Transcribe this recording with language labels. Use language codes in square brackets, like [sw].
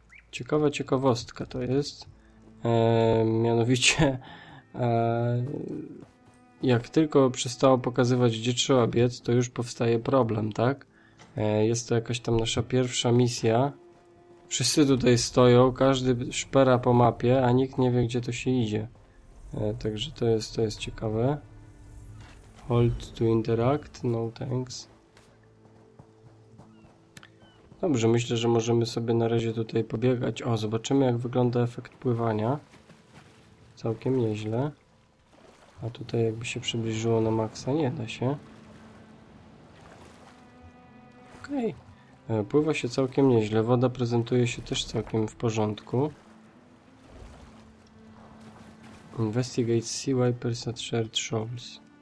[pl] Ciekawa ciekawostka to jest. Mianowicie, jak tylko przestało pokazywać, gdzie trzeba biec, to już powstaje problem, tak? Jest to jakaś tam nasza pierwsza misja. Wszyscy tutaj stoją, każdy szpera po mapie, a nikt nie wie, gdzie to się idzie. Także to jest ciekawe. [en] Hold to interact, no thanks. [pl] Dobrze, myślę, że możemy sobie na razie tutaj pobiegać. O, zobaczymy, jak wygląda efekt pływania. Całkiem nieźle. A tutaj jakby się przybliżyło na maksa, nie da się. Okej. Pływa się całkiem nieźle. Woda prezentuje się też całkiem w porządku. [en] Investigate sea wipers at shared shoals.